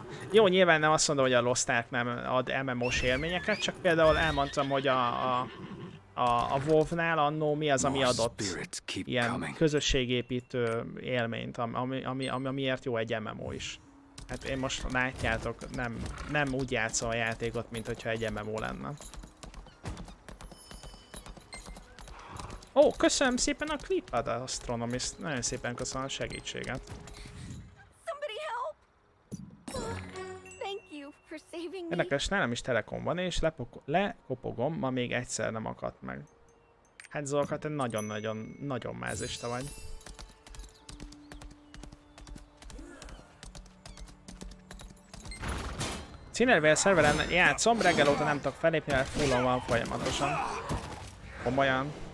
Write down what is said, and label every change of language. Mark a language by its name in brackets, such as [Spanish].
[Hungarian] Jó, nyilván nem azt mondom, hogy a Lost Ark nem ad MMO-s élményeket, csak például elmondtam, hogy a WoW-nál annó mi az, ami adott ilyen közösségépítő élményt, amiért jó egy MMO is. Hát én most látjátok, nem úgy játszom a játékot, mint hogyha egy MMO lenne. Ó, köszönöm szépen a klipet, Astronomist. Nagyon szépen köszönöm a segítséget. [English] Somebody help! Thank you for saving. [Hungarian] Érdekes, nálam is telekom van, és lekopogom, ma még egyszer nem akadt meg. Hát Zolka, te nagyon-nagyon mázista vagy. Cinervel szerveren játszom, reggel óta nem tudok felépni, mert fullon van folyamatosan. Komolyan.